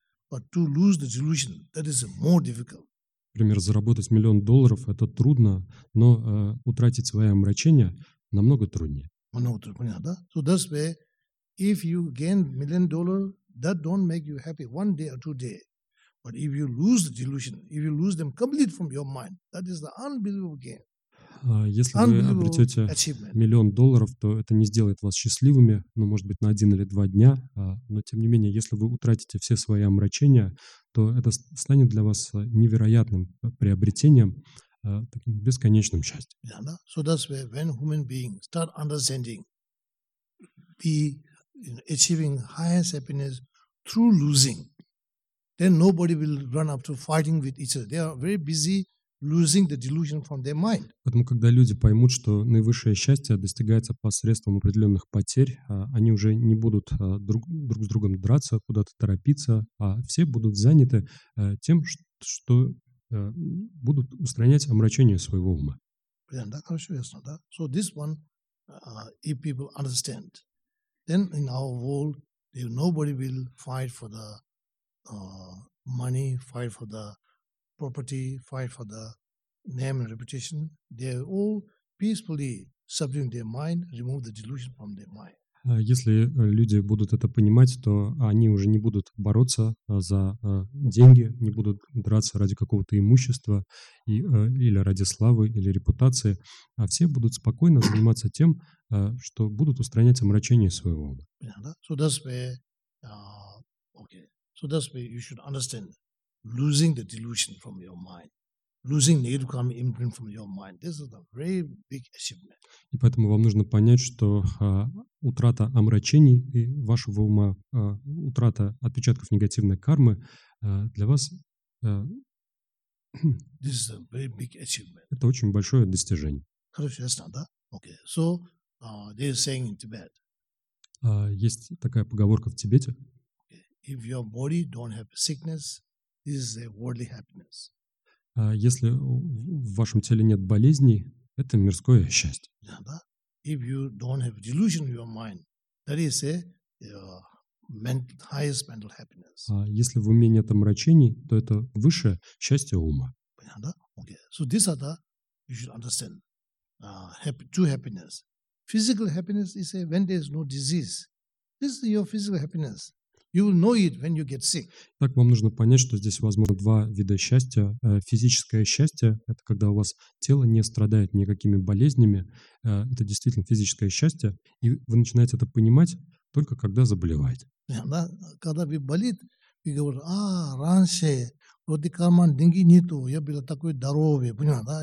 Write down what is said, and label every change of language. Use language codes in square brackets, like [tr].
[en] But to lose the delusion, that is more difficult. [ru] Например, заработать миллион долларов это трудно, но утратить свое омрачение намного труднее. Много труднее, да? [en] So that's where if you gain $1 million, that don't make you happy one day or two days. But if you lose the delusion, if you lose them completely from your mind, that is the unbelievable gain. [ru] Если вы обретете миллион долларов, то это не сделает вас счастливыми, ну, может быть, на один или два дня. Но, тем не менее, если вы утратите все свои омрачения, то это станет для вас невероятным приобретением, таким бесконечным счастьем. [en] Yeah, no? So that's where when human beings start understanding, be achieving highest happiness through losing, then nobody will run up to fighting with each other. They are very busy losing the delusion from their mind. [ru] Поэтому, когда люди поймут, что наивысшее счастье достигается посредством определенных потерь, они уже не будут друг с другом драться, куда-то торопиться, а все будут заняты тем, что будут устранять омрачение своего ума. Понятно, да? Хорошо, ясно, да? [en] So this one, if people understand, then in our world, nobody will fight for the money, fight for the property, fight for the name and reputation. They all peacefully subdue their mind, remove the delusion from their mind. [ru] Если люди будут это понимать, то они уже не будут бороться за деньги, не будут драться ради какого-то имущества или ради славы, или репутации, а все будут спокойно заниматься тем, что будут устранять омрачение своего ума. [en] Yeah, [ru] да? [en] So that's where, okay. So that's where you should understand losing the delusion from your mind. losing negative karmic imprint from your mind. This is a very big achievement. [ru] И поэтому вам нужно понять, что утрата омрачений и вашего ума, утрата отпечатков негативной кармы для вас [en] this is a very big achievement. [ru] Это очень большое достижение. Хорошо, ясно, да? [en] Okay. So, they are saying in Tibet. [ru] Есть такая поговорка в Тибете. [en] If your body don't have sickness, this is a worldly happiness. [ru] Если в вашем теле нет болезней, это мирское счастье. [en] Yeah, [ru] да? [en] If you don't have delusion in your mind, that is a mental, highest mental happiness. [ru] Если в уме нет омрачений, то это высшее счастье ума. Понятно, да? Okay. [en] So these are the, you should understand, two happiness. Physical happiness is a when there is no disease. This is your physical happiness. You will know it when you get sick. [ru] Так вам нужно понять, что здесь возможно два вида счастья. Физическое счастье – это когда у вас тело не страдает никакими болезнями. Это действительно физическое счастье. И вы начинаете это понимать только когда заболеваете. [en] Yeah, [ru] да? Когда вы болит, вы говорите, а, раньше, вроде карман, деньги нету, я был такой здоровый, понимаете, да?